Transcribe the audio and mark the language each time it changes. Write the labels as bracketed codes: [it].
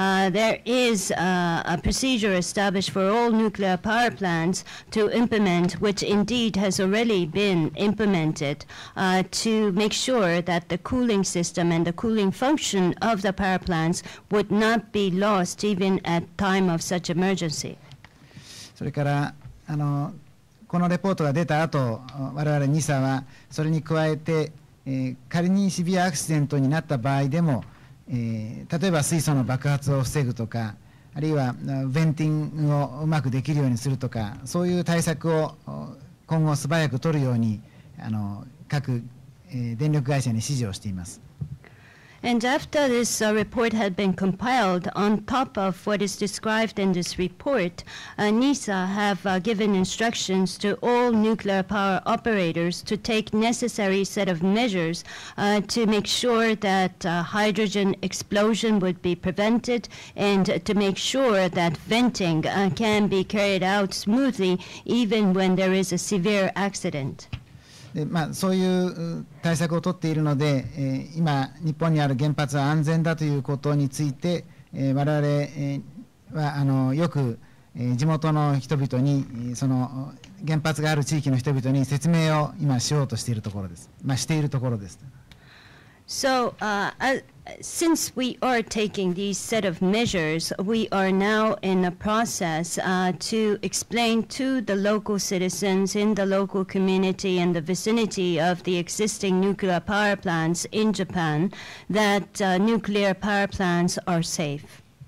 [en] there is a procedure established for all nuclear power plants to implement, which indeed has already been implemented, to make sure that the cooling system and the cooling function of the power plants would not be lost even at time of such emergency. [ja] それからこのレポートが出た後、我々NISAはそれに加えて、仮にシビアアクシデントになった場合でも、例えば水素の爆発を防ぐとか、あるいはヴェンティングをうまくできるようにするとか、そういう対策を今後素早く取るように各電力会社に指示をしています。 [en] And after this report had been compiled, on top of what is described in this report, NISA have given instructions to all nuclear power operators to take necessary set of measures to make sure that hydrogen explosion would be prevented and to make sure that venting can be carried out smoothly even when there is a severe accident. [ja] でそういう対策を取っているので、今日本にある原発は安全だということについて、我々はよく地元の人々にその原発がある地域の人々に説明を今しようとしているところです。まあ、しているところです。 [en] So, since we are taking these set of measures, we are now in a process to explain to the local citizens in the local community and the vicinity of the existing nuclear power plants in Japan that nuclear power plants are safe.